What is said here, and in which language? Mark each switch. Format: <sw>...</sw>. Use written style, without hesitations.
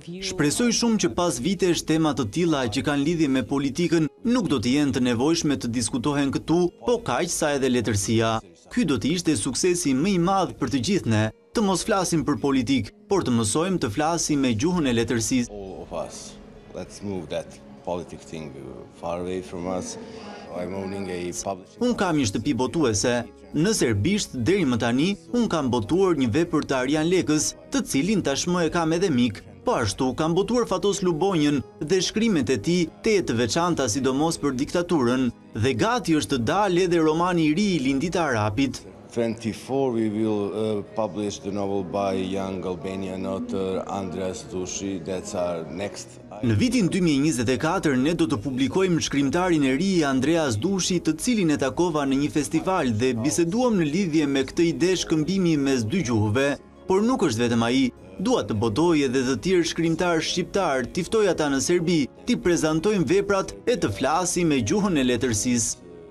<sq>Shpresoj shumë që pas vitesh tema të tilla që kanë lidhje me politikën nuk do të jenë të nevojshme të diskutohen këtu, po kaq sa edhe letërsia. Ky do të ishte suksesi më i madh për të gjithë ne, të mos flasim për politikë, por të mësojmë të flasim me gjuhën e letërsisë.</sq> <en>Let's move that politic thing far away from us.</en> <sq>Un kam një shtëpi botuese. Në serbisht, deri më tani, un kam botuar një vepër të Arjan Lekës, të cilin tashmë e kam edhe mik. Po ashtu, kam botuar Fatos Lubonjën dhe shkrimet e ti, te e të veçanta sidomos për diktaturën, dhe gati është të dalë edhe romani i ri i Lindit Arapit.</sq> <en>24 we will publish the novel by young Albanian author Andreas Dushi, that's our next.</en> <sq>Në vitin 2024 ne do të publikojmë shkrimtarin e ri Andreas Dushi, të cilin e takova në një festival dhe biseduam në lidhje me këtë ide shkëmbimi mes dy gjuhëve, por nuk është vetëm ai. Dua të botoj edhe të tjerë shkrimtar shqiptar, t'i ftoj ata në Serbi, t'i prezantojmë veprat e të flasim me gjuhën e letërsisë.</sq>